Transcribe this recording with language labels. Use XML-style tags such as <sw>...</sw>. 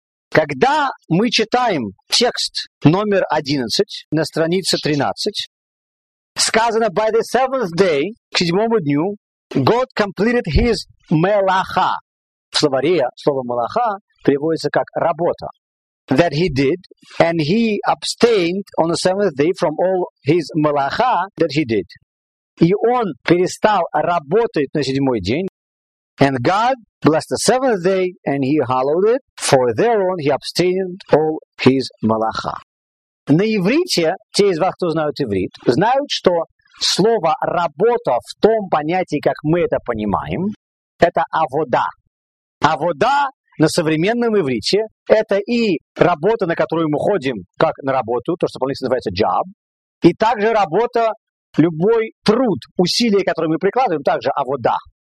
<ru>Когда мы читаем текст номер 11 на странице 13, сказано,</ru> <en>by the seventh day,</en> <ru>к седьмому дню,</ru> <en>God completed his melacha.</en> <ru>В словаре слово melacha переводится как работа.</ru> <en>That he did, and he abstained on the seventh day from all his melacha that he did.</en> <ru>И он перестал работать на седьмой день.</ru> <en>And God blessed the seventh day, and he hallowed it, for thereon he abstained all his melacha.</en> <ru>На иврите, те из вас, кто знают иврит, знают, что слово «работа» в том понятии, как мы это понимаем, это «авода». «Авода» на современном иврите – это и работа, на которую мы ходим, как на работу, то, что по-английски называется «job», и также работа, любой труд, усилия, которые мы прикладываем, также «авода».</ru>